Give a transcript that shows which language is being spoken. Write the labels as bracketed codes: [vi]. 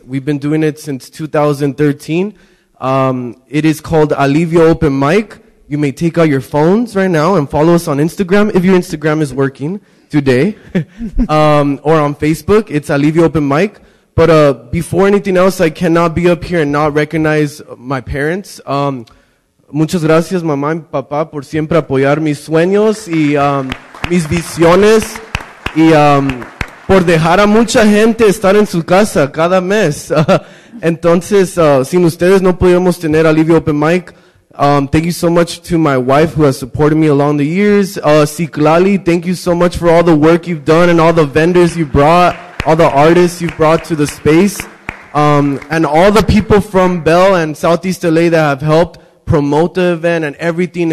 [en] We've been doing it since 2013. It is called Alivio Open Mic. You may take out your phones right now and follow us on Instagram if your Instagram is working today, or on Facebook. It's Alivio Open Mic. But before anything else, I cannot be up here and not recognize my parents. [es] Muchas gracias, mamá y papá, por siempre apoyar mis sueños y mis visiones y por dejar a mucha gente estar en su casa cada mes. Entonces, sin ustedes no podríamos tener Alivio Open Mic. [en] Thank you so much to my wife who has supported me along the years. Ciclali, thank you so much for all the work you've done and all the vendors you brought, all the artists you've brought to the space, and all the people from Bell and Southeast LA that have helped promote the event and everything.